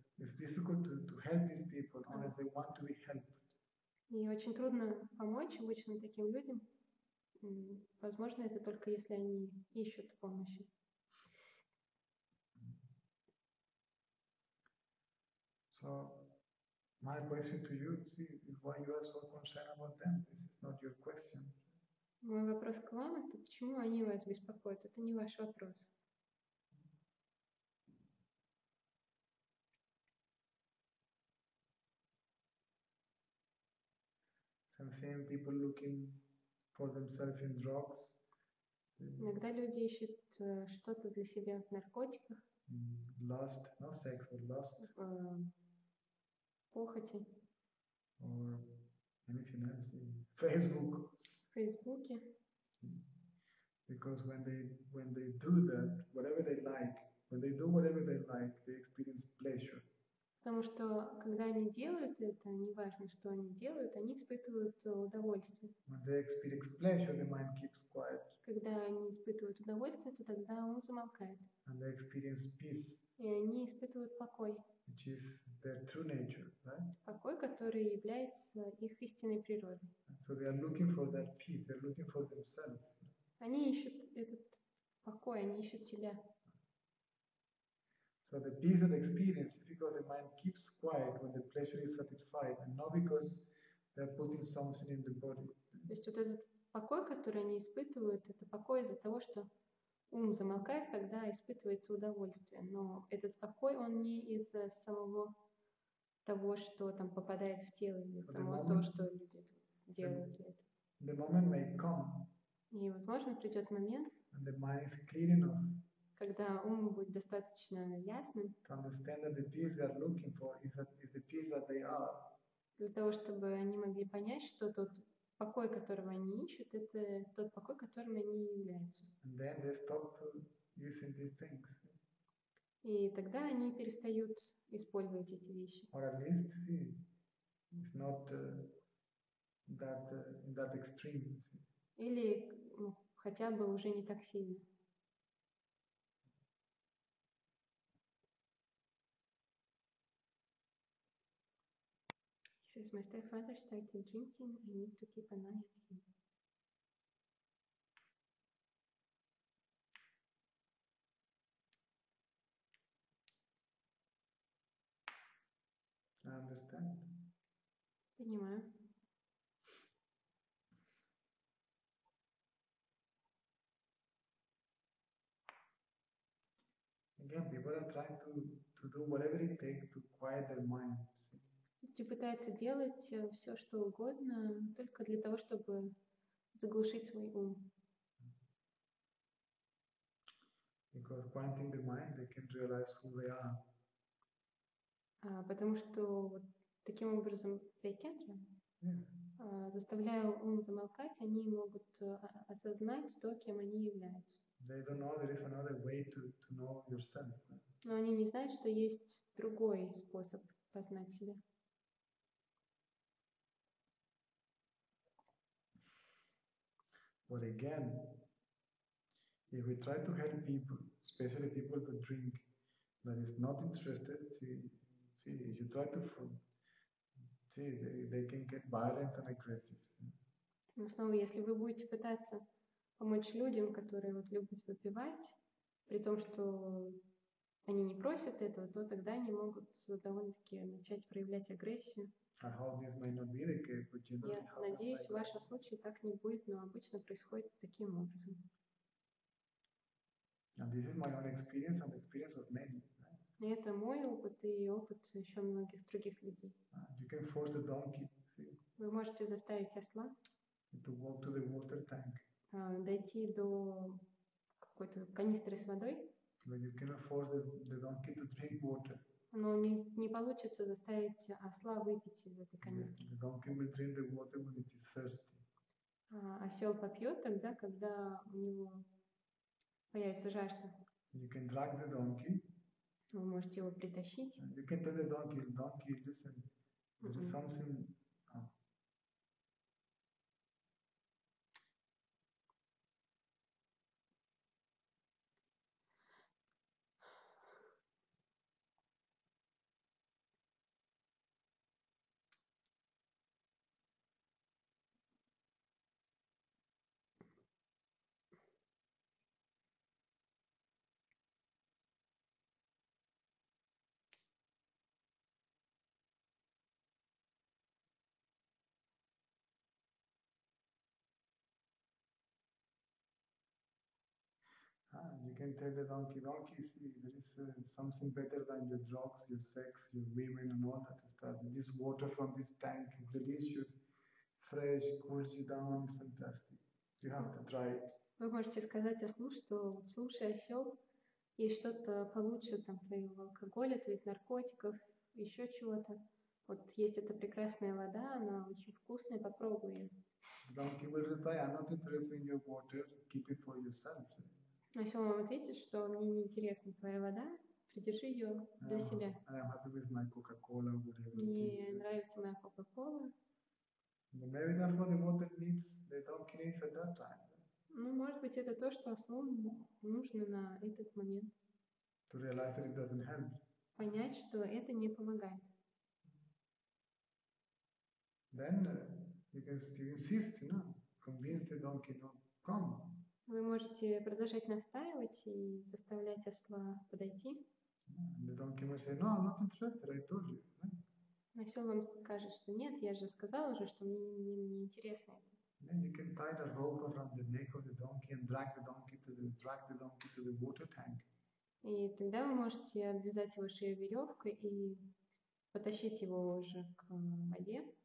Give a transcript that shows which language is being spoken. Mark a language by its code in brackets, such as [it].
[en] It's difficult to help these people unless they want to be helped. [ru] И очень трудно помочь обычным таким людям. Возможно, это только если они ищут помощи. [en] So my question to you, see, is why you are so concerned about them. This is not your question. [ru] Мой вопрос к вам, это почему они вас беспокоят? Это не ваш вопрос. [en] Same people looking for themselves in drugs. [ru] Иногда люди ищут что-то для себя в наркотиках. [en] Lust, not sex, but lust. [ru] Похоти. [en] Or anything else in Facebook. [ru] В Фейсбуке. [en] Because when they do that, whatever they like, when they do whatever they like, they experience pleasure. [ru] Потому что, когда они делают это, неважно, что они делают, они испытывают удовольствие. [en] When they experience pleasure, the mind keeps quiet. [ru] Когда они испытывают удовольствие, то тогда ум замолкает. [en] And they experience peace. [ru] И они испытывают покой. [en] Which is their true nature, right? [ru] Покой, который является их истинной природой. [en] So they are looking for that peace. They're looking for themselves. [ru] Они ищут этот покой, они ищут себя. [en] So the peace and experience is because the mind keeps quiet when the pleasure is satisfied, and not because they're putting something in the body. [ru] То есть вот этот покой, который они испытывают, это покой из-за того, что ум замолкает, когда испытывается удовольствие. Но этот покой, он не из-за самого того, что там попадает в тело, или из-за самого того, что люди делают это. [en] The moment may come. [ru] И вот, возможно, придет момент. [en] And the mind is clear enough. [ru] Когда ум будет достаточно ясным, для того, чтобы они могли понять, что тот покой, которого они ищут, это тот покой, которым они являются. [en] And then they stop using these things. [ru] И тогда они перестают использовать эти вещи. [en] Or at least see, it's not that in that extreme. See. [ru] Или хотя бы уже не так сильно. [en] Since my stepfather started drinking, I need to keep an eye on him. I understand. [ru] Понимаю. [en] Again, people are trying to do whatever it takes to quiet their mind. [ru] Люди пытаются делать все, что угодно, только для того, чтобы заглушить свой ум. [en] Because quieting the mind, they can realize who they are. [ru] Потому что вот таким образом [en] they can, [ru] заставляя ум замолкать, они могут осознать то, кем они являются. [en] They don't know there is another way to know yourself. [ru] Но они не знают, что есть другой способ познать себя. В [en] But again, if we try to help people, especially people that drink, that is not interested, see, if you try to they can get violent and aggressive. [ru] Но снова, если вы будете пытаться помочь людям, которые вот любят выпивать, при том, что они не просят этого, то тогда они могут довольно-таки начать проявлять агрессию. [en] I hope this may not be the case, but you know, [ru] я надеюсь, в вашем случае так не будет, но обычно происходит таким образом. [en] And this is my own experience and the experience of many. [ru] И это мой опыт и опыт еще многих других людей. [en] You can force the donkey, see? [ru] Вы можете заставить осла [en] to walk to the water tank. [ru] Дойти до какой-то канистры с водой. [en] But you cannot force the donkey to drink water. [ru] Но не получится заставить осла выпить из этой канистры. [en] The donkey will drink the water when it is thirsty. [ru] Осел попьет тогда, когда у него появится жажда. [en] You can drag the donkey. [ru] Вы можете его притащить. [en] You can tell the donkey, donkey, listen, there is something. You can tell the donkey, donkey, see, there is something better than your drugs, your sex, your women, and all that stuff. This water from this tank is delicious, fresh, cools you down, fantastic. You have to try it. [ru] Вы можете сказать ослу, что слушай, осел, есть что-то получше там твоего алкоголя, твоих наркотиков, еще чего-то. Вот есть эта прекрасная вода, она очень вкусная, попробуй ее. [en] Donkey will reply, I'm not interested in your water, keep it for yourself. [ru] Если он вам ответит, что мне не интересна твоя вода, придержи ее для себя. [en] I am happy with my Coca-Cola, whatever. [ru] Мне нравится моя Coca-Cola. [en] Maybe that's what the water needs. The donkey needs at that time. [ru] Ну, может быть, это то, что ослу нужно на этот момент. [en] To realize that it doesn't help. [ru] Понять, что это не помогает. [en] Then you insist, you know, convince the donkey, no, come. [ru] Вы можете продолжать настаивать и заставлять осла подойти. [en] The donkey might say, no, I'm not interested, I told you. [ru] Осел вам скажет, что нет, я же сказал уже, что мне не интересно это. [en] Then you can tie the rope around the neck of the donkey and drag the donkey to the water tank. [ru] И тогда вы можете обвязать его шею веревкой и потащить его уже к воде.